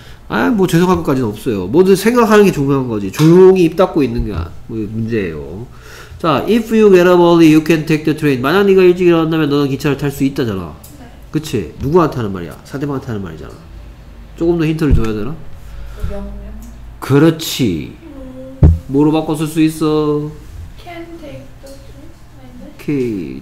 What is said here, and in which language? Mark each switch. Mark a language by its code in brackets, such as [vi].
[ko] 아 뭐 죄송할 것까지는 없어요. 뭐든 생각하는 게 중요한 거지. 조용히 입 닫고 있는 게 문제예요. 자 [en] if you get up early you can take the train. [ko] 만약 네가 일찍 일어난다면 너는 기차를 탈 수 있다잖아. 그치? 누구한테 하는 말이야? 상대방한테 하는 말이잖아. 조금 더 힌트를 줘야 되나? 그렇지. 뭐로 바꿔 쓸 수 있어? [en] Can take the train. [ko] 오케이.